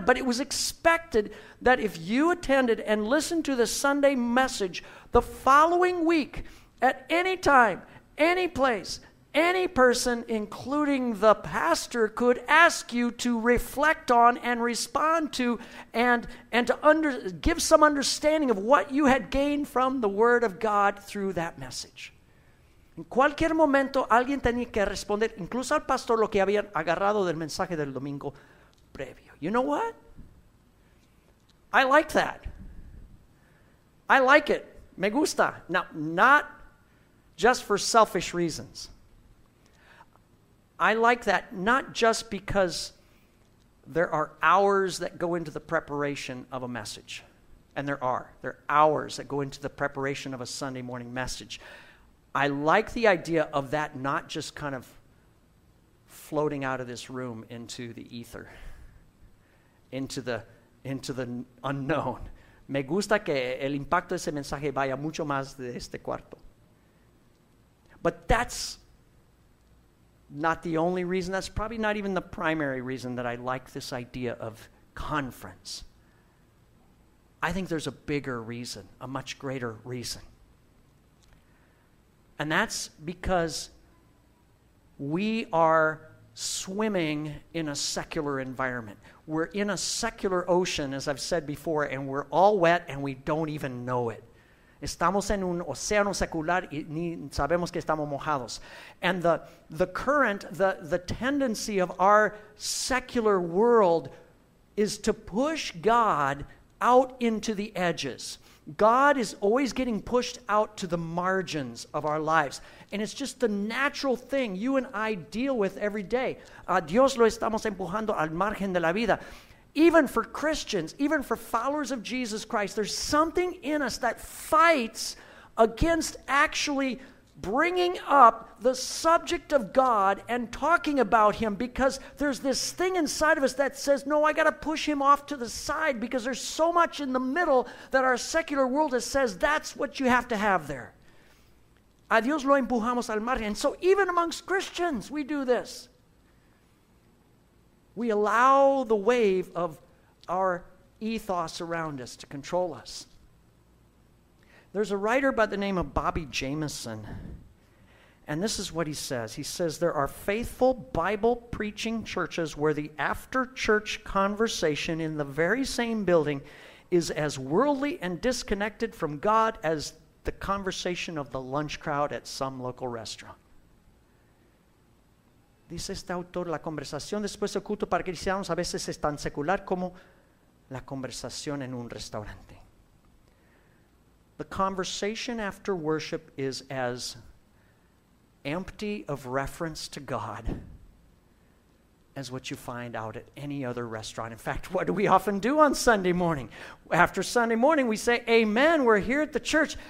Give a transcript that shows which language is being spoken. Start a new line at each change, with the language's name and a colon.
English: but it was expected that if you attended and listened to the Sunday message the following week, at any time, any place, any person, including the pastor, could ask you to reflect on and respond to and to give some understanding of what you had gained from the Word of God through that message.
Spanish: En cualquier momento alguien tenía que responder, incluso al pastor, lo que habían agarrado del mensaje del domingo previo.
English: You know what? I like that. I like it.
Spanish: Me gusta.
English: Now, not just for selfish reasons. I like that not just because there are hours that go into the preparation of a message. And there are. There are hours that go into the preparation of a Sunday morning message. I like the idea of that not just kind of floating out of this room into the ether, into the unknown.
Spanish: Me gusta que el impacto de ese mensaje vaya mucho más de este cuarto.
English: But that's not the only reason. That's probably not even the primary reason that I like this idea of conference. I think there's a bigger reason, a much greater reason. And that's because we are swimming in a secular environment. We're in a secular ocean, as I've said before, and we're all wet and we don't even know it.
Spanish: Estamos en un océano secular y ni sabemos que estamos mojados.
English: And the current, the tendency of our secular world is to push God out into the edges. God is always getting pushed out to the margins of our lives. And it's just the natural thing you and I deal with every day.
Spanish: Dios lo estamos empujando al margen de la vida.
English: Even for Christians, even for followers of Jesus Christ, there's something in us that fights against actually bringing up the subject of God and talking about Him, because there's this thing inside of us that says, no, I got to push Him off to the side, because there's so much in the middle that our secular world has says that's what you have to have there.
Spanish: A Dios lo empujamos al mar.
English: And so even amongst Christians, we do this. We allow the wave of our ethos around us to control us. There's a writer by the name of Bobby Jameson, and this is what he says. He says, there are faithful Bible-preaching churches where the after-church conversation in the very same building is as worldly and disconnected from God as the conversation of the lunch crowd at some local restaurant.
Spanish: Dice este autor, la conversación después del culto para cristianos a veces es tan secular como la conversación en un restaurante.
English: The conversation after worship is as empty of reference to God as what you find out at any other restaurant. In fact, what do we often do on Sunday morning? After Sunday morning, we say, amen, we're here at the church.